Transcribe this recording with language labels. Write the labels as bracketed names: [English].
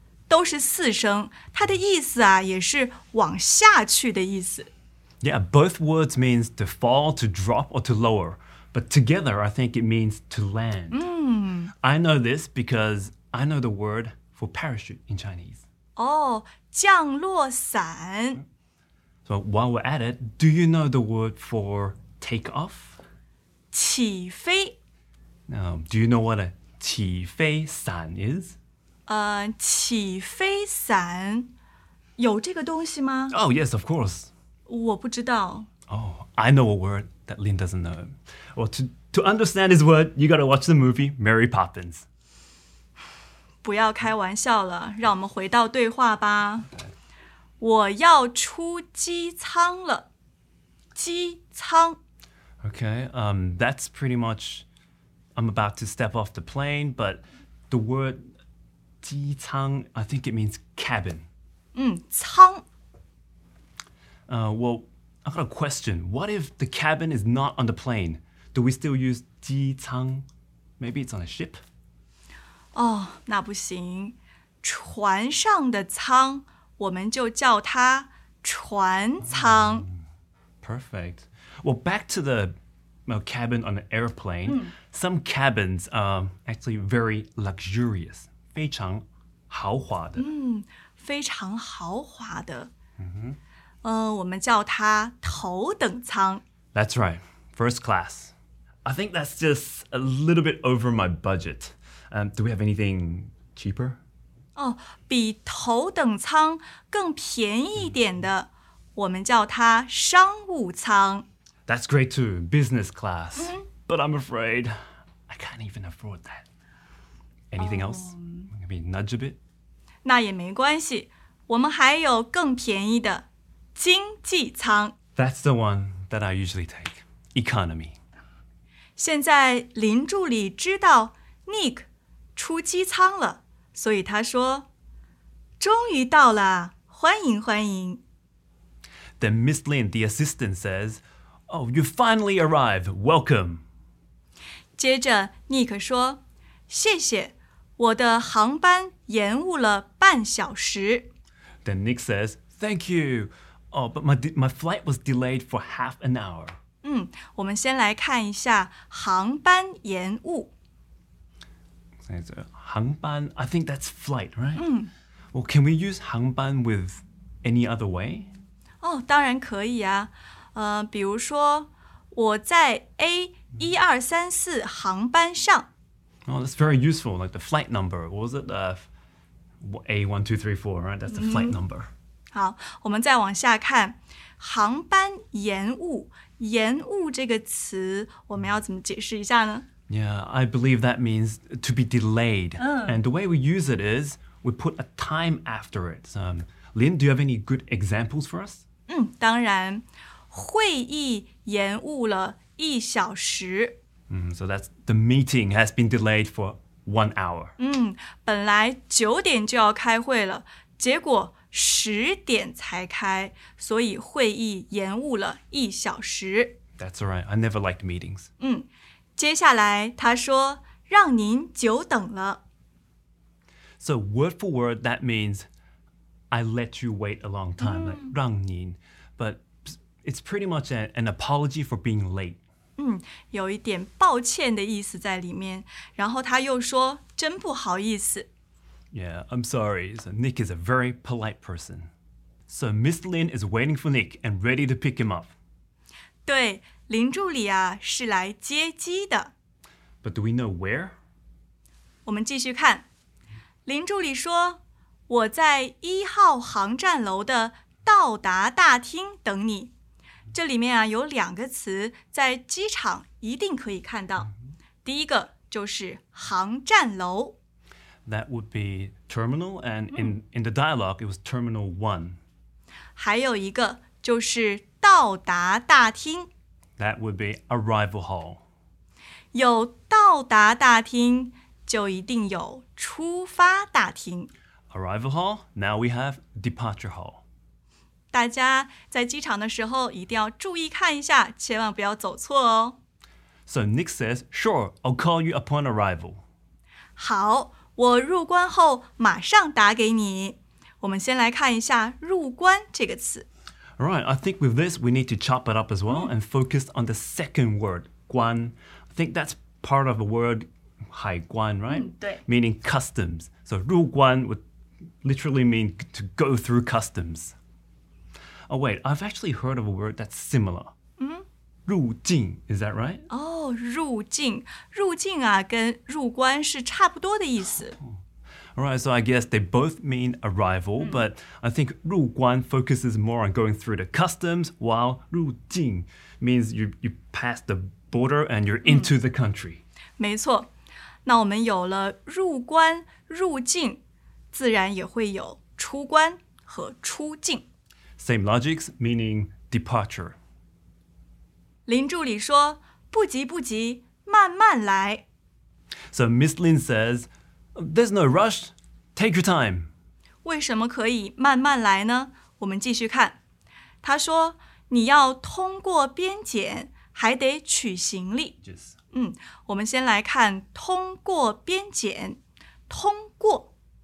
[Chinese] 都是四声，它的意思啊，也是往下去的意思。 [English] Yeah, both words means to fall, to drop, or to lower. But together, I think it means to land. I know this because I know the word for parachute in Chinese. [Chinese] Oh, 降落伞。 [English] So while we're at it, do you know the word for take off? [Chinese] 起飞。 [English] Now, do you know what a 起飞伞 is? [Chinese] 起飞伞有这个东西吗 [English] Oh, yes, of course. [Chinese] 我不知道。 [English] Oh, I know a word that Lin doesn't know. Well, to understand this word, you gotta watch the movie Mary Poppins. [Chinese] 不要开玩笑了，让我们回到对话吧。我要出机舱了。机舱。 [English] Okay, that's pretty much, I'm about to step off the plane, but the word... 机舱, I think it means cabin. [Chinese] 舱。 [English] Well, I've got a question. What if the cabin is not on the plane? Do we still use 机舱?Maybe it's on a ship? [Chinese] Oh, 那不行。船上的舱,我们就叫它船舱。 [English] Perfect. Well, back to the cabin on the airplane. Some cabins are actually very luxurious. [Chinese] 非常豪华的。非常豪华的。我们叫它头等舱。 [English] That's right, first class. I think that's just a little bit over my budget. Do we have anything cheaper? [Chinese] 哦，比头等舱更便宜一点的，我们叫它商务舱。 [English] That's great too, business class. But I'm afraid I can't even afford that. Anything else? Maybe nudge a bit? [Chinese] 那也没关系，我们还有更便宜的经济舱。 [English] That's the one that I usually take, economy. [Chinese] 现在林助理知道 Nick 出机舱了，所以他说，终于到了，欢迎欢迎。 [English] Then Miss Lin, the assistant, says, Oh, you finally arrived. Welcome. [Chinese] 接着 Nick 说，谢谢，我的航班延误了半小时。 [English] Then Nick says, Thank you. Oh, but my flight was delayed for half an hour. [Chinese] 我们先来看一下航班延误。 [English] 航班 I think that's flight, right? [Chinese] 嗯。 [English] Well, can we use 航班 with any other way? [Chinese] 哦，当然可以啊。比如说，我在 A1234 航班上。 [English] Oh, that's very useful, like the flight number. What was it? A1234, right? That's the flight number. [Chinese] 好，我们再往下看。航班延误。延误这个词我们要怎么解释一下呢? [English] Yeah, I believe that means to be delayed. And the way we use it is, we put a time after it. Lin, do you have any good examples for us? [Chinese] 当然。会议延误了一小时。 [English] So that's the meeting has been delayed for 1 hour. [Chinese] 本来九点就要开会了，结果十点才开，所以会议延误了一小时。 [English] That's all right. I never liked meetings. [Chinese] 接下来他说，让您久等了。 [English] So word for word, that means I let you wait a long time, like 让您。 But it's pretty much an apology for being late. [Chinese] 有一点抱歉的意思在里面。然后他又说，真不好意思。 [English] Yeah, I'm sorry. So Nick is a very polite person. So Miss Lin is waiting for Nick and ready to pick him up. [Chinese] 对，林助理啊，是来接机的。 [English] But do we know where? [Chinese] 我们继续看。林助理说，我在一号航站楼的到达大厅等你。这里面啊，有两个词在机场一定可以看到。第一个就是航站楼。 [English] That would be terminal, and in the dialogue, it was terminal 1. [Chinese] 还有一个就是到达大厅。 [English] That would be arrival hall. [Chinese] 有到达大厅，就一定有出发大厅。 [English] Arrival hall, now we have departure hall. [Chinese] 大家在机场的时候一定要注意看一下，千万不要走错哦。 [English] So Nick says, sure, I'll call you upon arrival. [Chinese] 好。我入关后马上打给你。我们先来看一下入关这个词。 [English] Right, I think with this, we need to chop it up as well and focus on the second word, 关. I think that's part of the word 海关, right? [Chinese] 对。 [English] Meaning customs. So 入关 would literally mean to go through customs. Oh wait, I've actually heard of a word that's similar. 入境, is that right? [Chinese] Oh, 入境。入境啊,跟入关是差不多的意思。 Alright, so I guess they both mean arrival, but I think 入关 focuses more on going through the customs, while 入境 means you pass the border and you're into the country. 没错。那我们有了入关、入境,自然也会有出关和出境。 [English] Same logics, meaning departure. [Chinese] 林助理说，不急不急，慢慢来。 [English] So Miss Lin says, there's no rush, take your time. [Chinese] 为什么可以慢慢来呢？我们继续看。他说，你要通过边检，还得取行李。 [English] Yes. [Chinese] 我们先来看通过边检，通过。